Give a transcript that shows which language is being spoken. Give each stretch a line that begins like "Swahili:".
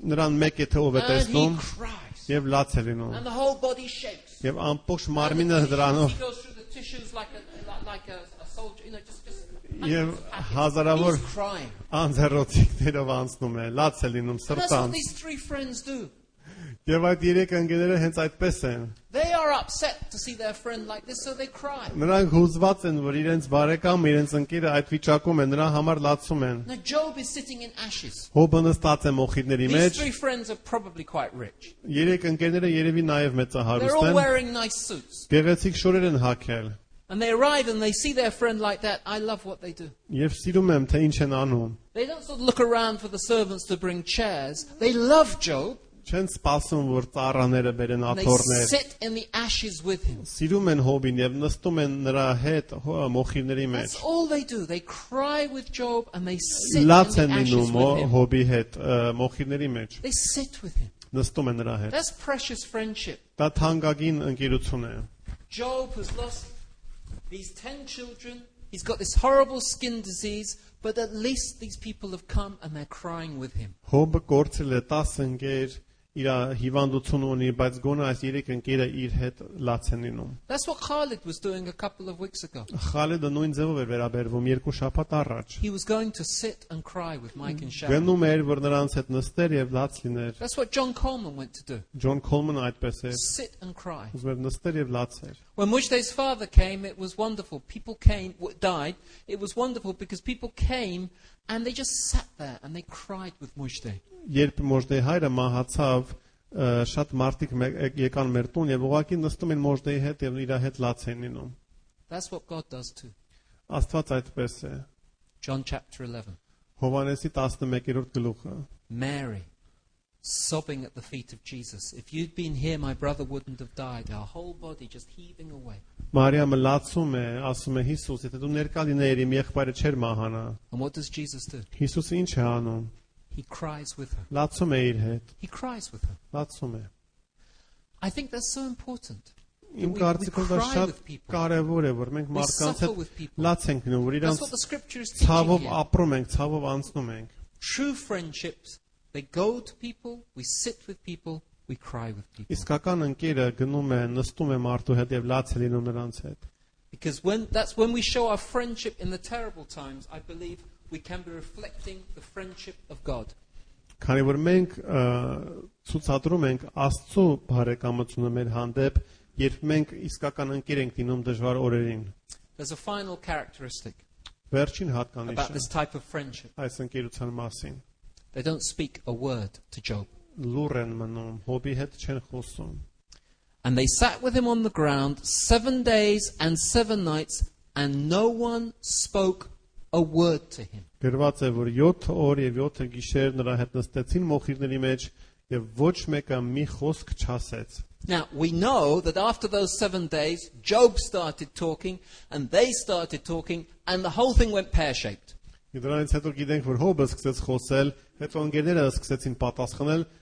Armenian: Նրան մեկ է թե ով է տեսնում։
English: And he cries.
Armenian: Եվ լաց է լինում։
English: And the whole body shakes.
Armenian: Եվ ամբողջ մարմինը դրանով։
English: He goes through the tissues like a soldier, you know, just
Armenian: Եվ հազարավոր անձեռոցիկներով անցնում է, լաց է լինում սրտանց։ Եվ այդ երեք ընկերները հենց այդպես են։
English: They are upset to see their friend like this, so they cry.
Armenian: Նրանք հուզված են, որ իրենց բարեկամը, իրենց ընկերը այդ վիճակում է, նրա համար լացում են։
English: Now Job is sitting in ashes.
Armenian: Հոբը նստած է մոխիրների մեջ։
English: These three friends are probably quite rich.
Armenian: Երեք ընկերները երևի նաև մեծահարուստ են։
English: They're all wearing nice suits.
Armenian: Գեղեցիկ շորեր են հագել։
English: And they arrive and they see their friend like that. I love what they do.
Armenian: Եվ սիրում եմ, թե ինչ են անում։
English: They don't sort of look around for the servants to bring chairs. They love Job.
Armenian: Չեն սպասում, որ ծառաները բերեն աթոռներ։
English: They sit in the ashes with him.
Armenian: Սիրում են Հոբին եւ նստում են նրա հետ մոխիրների մեջ։
English: That's all they do. They cry with Job and they sit in the ashes with him.
Armenian: Լաց են նույնը Հոբի հետ մոխիրների մեջ։
English: They sit with him.
Armenian: Նստում են նրա հետ։
English: That's precious friendship.
Armenian: Դա թանկագին ընկերություն է։
English: Job has lost these 10 children. He's got this horrible skin disease, but at least these people have come and they're crying with him.
Armenian: Հոբը կորցրել է 10 ընկեր, իր հիվանդությունը ունի, բայց գոնե այս 3 ընկերը իր հետ լաց են լինում.
English: That's what Khalid was doing a couple of weeks ago.
Armenian: Խալիդը նույն ձևով էր վերաբերվում 2 շաբաթ առաջ.
English: He was going to sit and cry with Mike and Sharon.
Armenian: Գնում էր, որ նրանց հետ նստեր եւ լաց լիներ.
English: That's what John Coleman went to do.
Armenian: John Coleman այդպես էր.
English: Sit and cry.
Armenian: Ուզում էր նստեր եւ լաց էր.
English: When Mujtay's father came, it was wonderful. People came, died. It was wonderful because people came and they just sat there and they cried with Mujtay.
Armenian: Երբ Մուջտեի հայրը մահացավ, շատ մարդիկ եկան մեր տուն եւ ուղղակի նստում են Մուջտեի հետ եւ իր հետ լաց են լինում.
English: That's what God does too.
Armenian: Աստված այդպես է.
English: John chapter 11.
Armenian: Հովանեսի 11-րդ գլուխը.
English: Mary sobbing at the feet of Jesus. If you'd been here, my brother wouldn't have died. Our whole body just heaving away.
Armenian: Մարիա մլացում է, ասում է Հիսուս, եթե դու ներկա լինեիր, իմ եղբայրը չէր մահանա.
English: And what does Jesus do?
Armenian: Հիսուսը ինչ է անում?
English: He cries with her.
Armenian: Լացում է իր հետ.
English: He cries with her.
Armenian: Լացում է.
English: I think that's so important.
Armenian: Իմ կարծիքով դա շատ կարևոր է, որ մենք մարդկանց հետ լաց ենք լինում, որ իրանց ցավով ապրում ենք, ցավով անցնում ենք.
English: True friendships, they go to people, we sit with people, we cry with people.
Armenian: Իսկական ընկերը գնում է, նստում է մարդու հետ եւ լաց է լինում նրանց հետ։
English: Because that's when we show our friendship in the terrible times, I believe we can be reflecting the friendship of God.
Armenian: Քանի որ մենք ցուցադրում ենք Աստծո բարեկամությունը մեր հանդեպ, երբ մենք իսկական ընկեր ենք դինում դժվար օրերին։
English: There's a final characteristic.
Armenian: Վերջին հատկանիշը։
English: About this type of friendship.
Armenian: Այս ընկերության մասին։
English: They don't speak a word to Job.
Armenian: Լուրեն մնում, Հոբի հետ չեն խոսում։
English: And they sat with him on the ground 7 days and seven nights, and no one spoke a word to him.
Armenian: Գրված է, որ 7 օր եւ 7 գիշեր նրա հետ նստեցին մոխիրների մեջ եւ ոչ մեկը մի խոսք չասեց.
English: Now we know that after those 7 days, Job started talking, and they started talking, and the whole thing went pear-shaped.
Armenian: Դրանից հետո գիտենք, որ Հոբը սկսեց խոսել, հետո ընկերները սկսեցին պատասխանել.